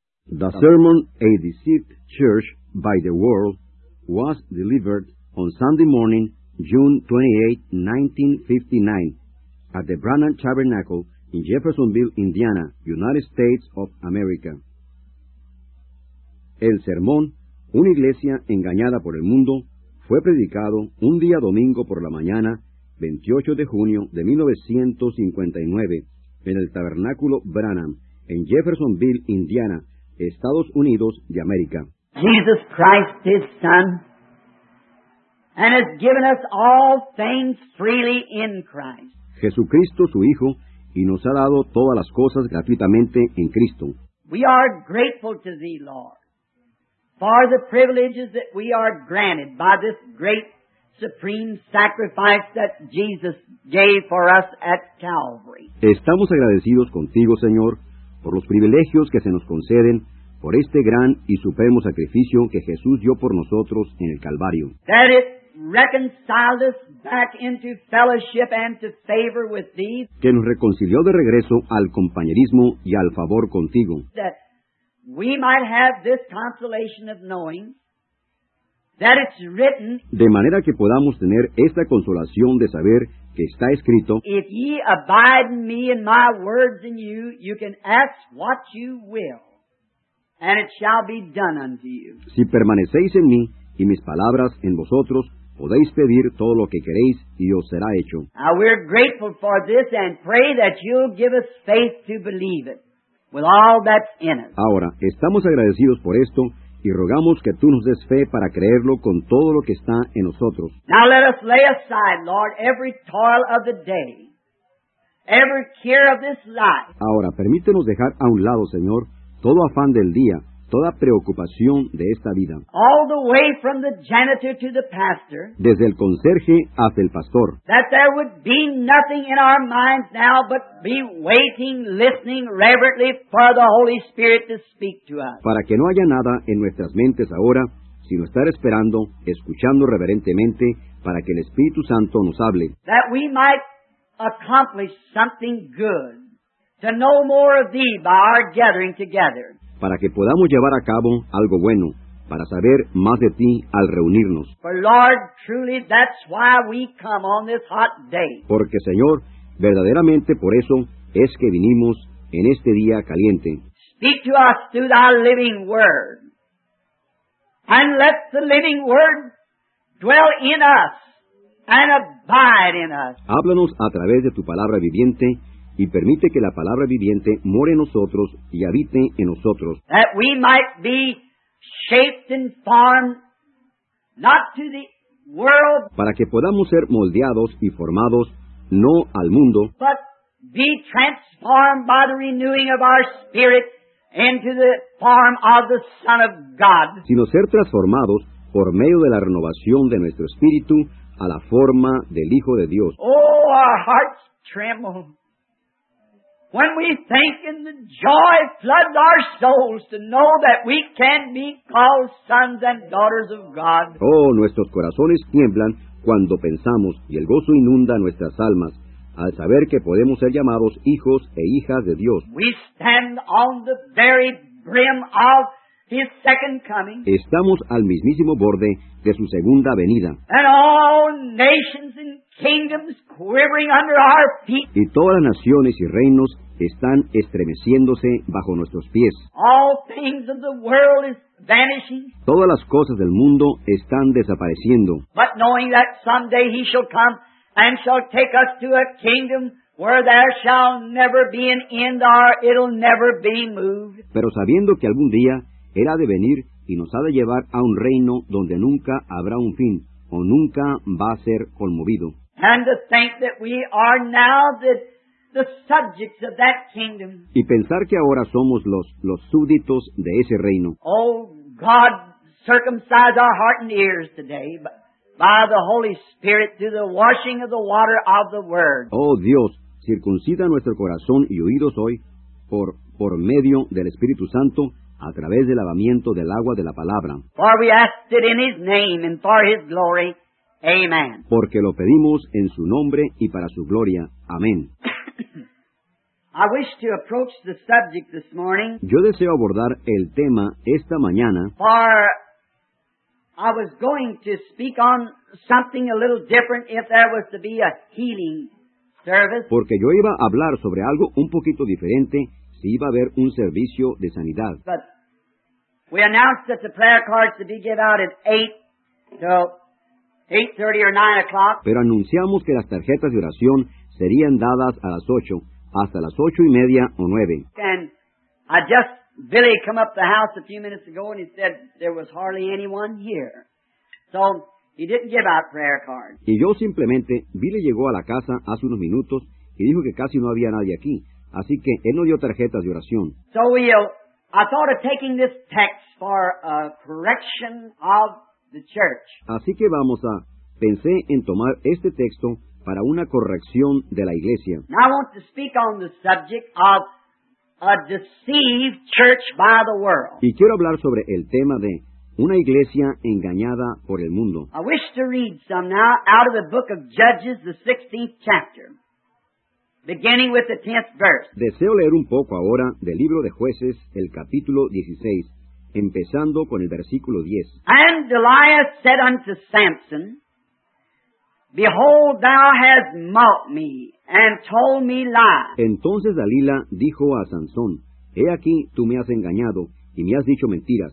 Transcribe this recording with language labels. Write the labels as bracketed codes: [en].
[en] The sermon, A Deceived Church by the World, was delivered on Sunday morning, June 28, 1959, at the Branham Tabernacle in Jeffersonville, Indiana, United States of America. [es] El sermón, Una iglesia engañada por el mundo, fue predicado un día domingo por la mañana, 28 de junio de 1959, en el Tabernáculo Branham, en Jeffersonville, Indiana, Estados Unidos de América. [en] Jesus Christ, His Son, and has given us all things freely in Christ. [es] Jesucristo, su Hijo, y nos ha dado todas las cosas gratuitamente en Cristo. [en] We are grateful to Thee, Lord, for the privileges that we are granted by this great supreme sacrifice that Jesus gave for us at Calvary. [es] Estamos agradecidos contigo, Señor, por los privilegios que se nos conceden por este gran y supremo sacrificio que Jesús dio por nosotros en el Calvario. [en] That it reconciled us back into fellowship and to favor with Thee. [es] Que nos reconcilió de regreso al compañerismo y al favor contigo. [en] That we might have this consolation of knowing that it's written. [es] De manera que podamos tener esta consolación de saber que está escrito. [en] If ye abide in me and my words in you, you can ask what you will, and it shall be done unto you. [es] Si permanecéis en mí y mis palabras en vosotros, podéis pedir todo lo que queréis y os será hecho. [en] Now we're grateful for this and pray that you'll give us faith to believe it. With all that's in it. [es] Ahora, estamos agradecidos por esto y rogamos que tú nos des fe para creerlo con todo lo que está en nosotros. [en] Now let us lay aside, Lord, every toil of the day, every care of this life. [es] Ahora, permítenos dejar a un lado, Señor, todo afán del día, toda preocupación de esta vida. [en] All the way from the janitor to the pastor. [es] Desde el conserje hasta el pastor. [en] That there would be nothing in our minds now but be waiting, listening reverently for the Holy Spirit to speak to us. [es] Para que no haya nada en nuestras mentes ahora, sino estar esperando, escuchando reverentemente para que el Espíritu Santo nos hable. [en] That we might accomplish something good, to know more of Thee by our gathering together. [es] Para que podamos llevar a cabo algo bueno, para saber más de ti al reunirnos. [en] For Lord, truly, that's why we come on this hot day. [es] Porque, Señor, verdaderamente por eso es que vinimos en este día caliente. [en] Speak to us through thy living word. And let the living word dwell in us and abide in us. [es] Háblanos a través de tu palabra viviente. Y permite que la palabra viviente more en nosotros y habite en nosotros. [en] That we might be shaped and formed not to the world. [es] Para que podamos ser moldeados y formados no al mundo. [en] But be transformed by the renewing of our spirit into the form of the Son of God. [es] Sino ser transformados por medio de la renovación de nuestro espíritu a la forma del Hijo de Dios. [en] Oh, our hearts tremble. When we think and the joy floods our souls to know that we can be called sons and daughters of God. [es] Oh, nuestros corazones tiemblan cuando pensamos y el gozo inunda nuestras almas al saber que podemos ser llamados hijos e hijas de Dios. [en] We stand on the very brim of His second coming. [es] Estamos al mismísimo borde de su segunda venida. [en] And all nations and kingdoms quivering under our feet. [es] Y todas las naciones y reinos están estremeciéndose bajo nuestros pies. [en] All things of the world is vanishing. [es] Todas las cosas del mundo están desapareciendo. [en] But knowing that someday He shall come and shall take us to a kingdom where there shall never be an end or it'll never be moved. [es] Pero sabiendo que algún día Él ha de venir y nos ha de llevar a un reino donde nunca habrá un fin o nunca va a ser conmovido. [en] And to think that we are now the subjects of that kingdom. [es] Y pensar que ahora somos los súbditos de ese reino. [en] Oh, God, circumcise our heart and ears today by the Holy Spirit through the washing of the water of the Word. [es] Oh, Dios, circuncida nuestro corazón y oídos hoy por medio del Espíritu Santo a través del lavamiento del agua de la palabra. [en] For we ask it in His name and for His glory. Amen. [es] Porque lo pedimos en su nombre y para su gloria. Amén. [en] I wish to approach the subject this morning. [es] Yo deseo abordar el tema esta mañana. [en] For I was going to speak on something a little different if there was to be a healing service. [es] Porque yo iba a hablar sobre algo un poquito diferente si iba a haber un servicio de sanidad. [en] But we announced that the prayer cards to be given out at 8 to 8:30 or 9 o'clock. [es] Pero anunciamos que las tarjetas de oración serían dadas a las 8 hasta las 8 y media o 9. [en] And I just Billy came up the house a few minutes ago and he said there was hardly anyone here. So he didn't give out prayer cards. [es] Y yo simplemente, Billy llegó a la casa hace unos minutos y dijo que casi no había nadie aquí. Así que él no dio tarjetas de oración. [en] So I thought of taking this text for a correction of the church. [es] Así que pensé en tomar este texto para una corrección de la iglesia. [en] Now I want to speak on the subject of a deceived church by the world. [es] Y quiero hablar sobre el tema de una iglesia engañada por el mundo. [en] I wish to read some now out of the book of Judges, the 16th chapter, beginning with the 10th verse. [es] Deseo leer un poco ahora del libro de Jueces, el capítulo 16, empezando con el versículo 10. [en] And Delilah said unto Samson, Behold, thou hast mocked me and told me lies. [es] Entonces Dalila dijo a Sansón, He aquí, tú me has engañado y me has dicho mentiras.